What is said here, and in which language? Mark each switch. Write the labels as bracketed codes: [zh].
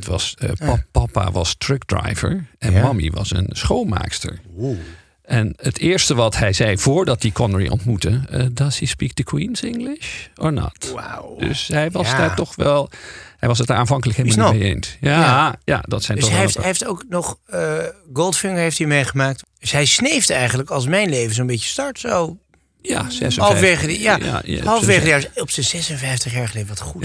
[nl] Dat was, papa was truck driver. En mommy was een schoonmaakster. Oeh. En het eerste wat hij zei voordat hij Connery ontmoette... [en] Does he speak the Queen's English or not? Wow. [nl] Dus hij was daar toch wel... Hij was het daar aanvankelijk helemaal niet mee eens. Ja, ja. Ja, dat zijn dus toch hij, heeft, hij heeft ook nog... Goldfinger heeft hij meegemaakt. Dus hij sneeft eigenlijk als mijn leven zo'n beetje start zo... Ja, 56. Halfwege, op zijn 56 jaar geleden, wat goed.